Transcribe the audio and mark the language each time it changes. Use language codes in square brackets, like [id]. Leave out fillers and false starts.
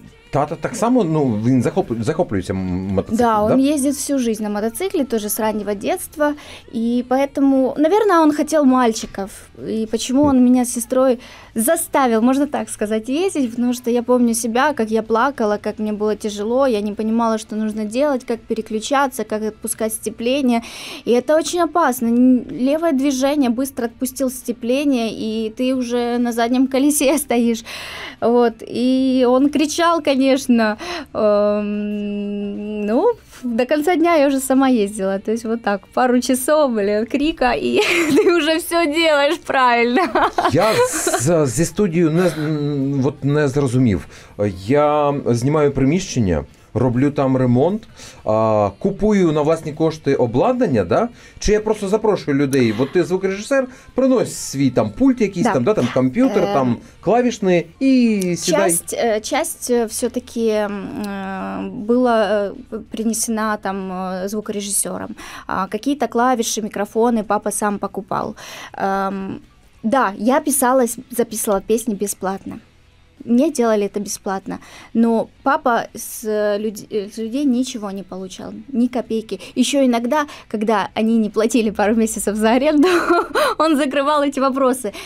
[uk] Тата так само, ну, він захоплюється мотоциклом, да? [ru] Да, он ездит всю жизнь на мотоцикле, тоже с раннего детства, и поэтому, наверное, он хотел мальчиков, и почему он меня с сестрой заставил, можно так сказать, ездить, потому что я помню себя, как я плакала, как мне было тяжело, я не понимала, что нужно делать, как переключаться, как отпускать сцепление, и это очень опасно. Левое движение, быстро отпустил сцепление, и ты уже на заднем колесе стоишь, вот, и он кричал, конечно, ну, до конца дня я уже сама ездила, то есть вот так, пару часов, блин, крика, и ты уже все делаешь правильно. [uk] Я зі студією не зрозумів. Я знімаю приміщення, роблю там ремонт, купую на власні кошти обладнання, да? Чи я просто запрошую людей, от ти звукорежисер, приносить свій там пульт якийсь, да. Там комп'ютер, там клавішний, і сідай. Часть все-таки була принесена там звукорежисером. Какие-то клавіші, мікрофони папа сам покупав. [ru] Да, я записала песни бесплатно. Мне делали это бесплатно. Но папа с людей ничего не получал, ни копейки. Еще иногда, когда они не платили пару месяцев за аренду, он закрывал эти вопросы.